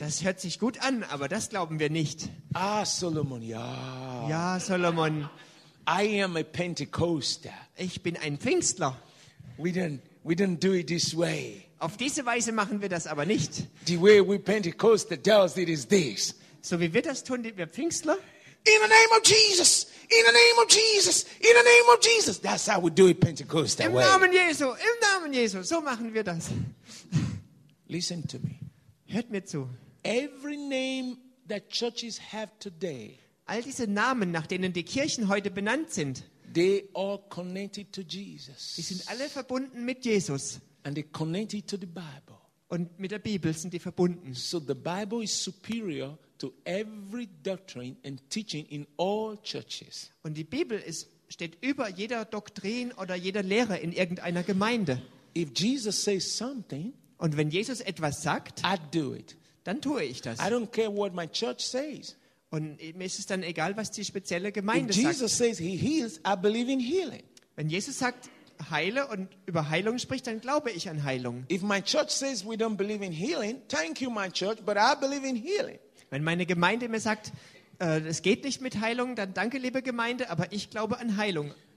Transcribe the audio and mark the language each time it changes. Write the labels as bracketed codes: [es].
[de] Das hört sich gut an, aber das glauben wir nicht. Ah, Solomon, ja. Ja, Solomon. [en] I am a Pentecostal. [de] Ich bin ein Pfingstler. [en] We don't do it this way. [de] Auf diese Weise machen wir das aber nicht. [en] The way we Pentecostal does it is this. [de] So wie wir das tun, wir Pfingstler. [en] In the name of Jesus. In the name of Jesus. In the name of Jesus. That's how we do it Pentecostal [de] way. Im Namen Jesu. Im Namen Jesu. So machen wir das. [en] Listen to me. [de] Hört mir zu. [en] Every name that churches have today. [de] All diese Namen, nach denen die Kirchen heute benannt sind. [en] They are connected to Jesus. [de] Die sind alle verbunden mit Jesus. [en] And they're connected to the Bible. [de] Und mit der Bibel sind die verbunden. [en] So the Bible is superior to every doctrine and teaching in all churches. [de] Und die Bibel ist, steht über jeder Doktrin oder jeder Lehre in irgendeiner Gemeinde. [en] If Jesus says something, [de] und wenn Jesus etwas sagt, [en] I do it. [de] Dann tue ich das. [en] I don't care what my church says. [de] Und mir ist es dann egal, was die spezielle Gemeinde sagt. [en] If Jesus says he heals, I believe in healing. [de] Wenn Jesus sagt, heile und über Heilung spricht, dann glaube ich an Heilung. [en] If my church says we don't believe in healing, thank you my church, but I believe in healing. [de] Wenn meine Gemeinde mir sagt, es geht nicht mit Heilung, dann danke, liebe Gemeinde, aber ich glaube an Heilung.